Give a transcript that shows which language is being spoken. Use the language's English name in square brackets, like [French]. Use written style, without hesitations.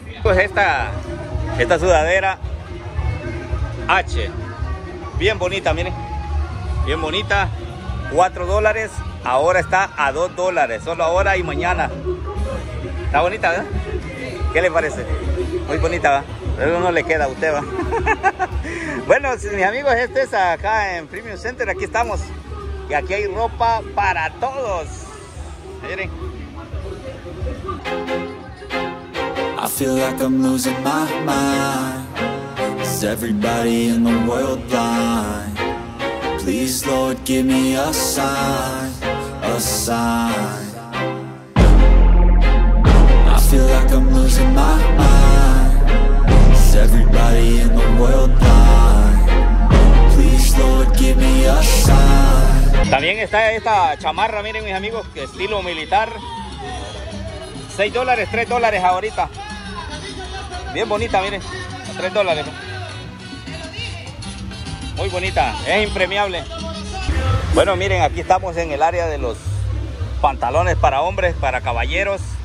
[Spanish] Pues esta sudadera H, bien bonita, miren, bien bonita, $4, ahora está a $2, solo ahora y mañana. Está bonita, ¿verdad? ¿Qué le parece? Muy bonita, ¿verdad? Pero no le queda a usted, ¿va? Bueno, mis amigos, este es acá en Premium Center. Aquí estamos. Y aquí hay ropa para todos. Miren. [English] I feel like I'm losing my mind. Is everybody in the world blind? Please, Lord, give me a sign. A sign. I feel like I'm losing my mind. Is everybody in the world blind? Please, Lord, give me a sign. [Spanish] También está esta chamarra, miren, mis amigos, que estilo militar. $6, $3 ahorita. Bien bonita, miren, $3. Muy bonita, es impermeable. Bueno, miren, aquí estamos en el área de los pantalones para hombres, para caballeros.